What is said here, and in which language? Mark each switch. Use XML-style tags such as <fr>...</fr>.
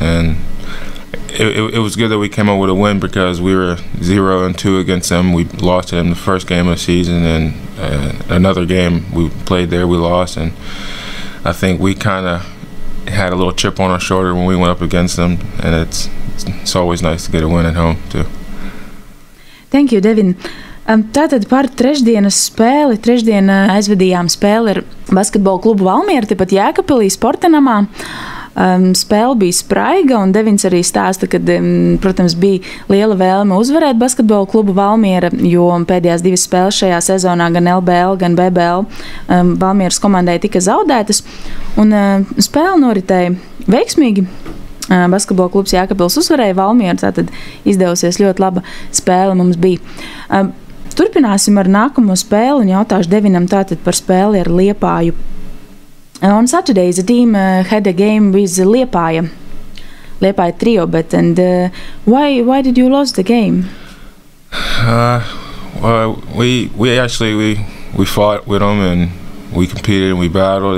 <en>And It was good that we came up with a win because we were 0-2 against them. We lost to them the first game of the season, and another game we played there we lost. And I think we kind of had a little chip on our shoulder when we went up against them, and it's always nice to get a win at home too. Thank you, Devin.</en> <lv>Tātad par trešdienas spēli, trešdien aizvedījām spēli ar basketbola klubu Valmiera, tepat Jēkabpilī sporta namā. Spēle bija spraiga, un Devins arī stāsta, ka, protams, bija liela vēlme uzvarēt basketbola klubu Valmiera, jo pēdējās divas spēles šajā sezonā, gan LBL, gan BBL, Valmieras komandai tika zaudētas. Un spēle noritēja veiksmīgi. Basketbola klubs Jēkabpils uzvarēja Valmieru, tātad izdevusies ļoti laba spēle mums bija. Turpināsim ar nākamo spēli un jautāšu Devinam tātad par spēli ar Liepāju.</lv> <en>On Saturday, the team had a game with Liepāja. Liepāja trio, but and why did you lose the game? We fought with them and we competed and we battled.</en>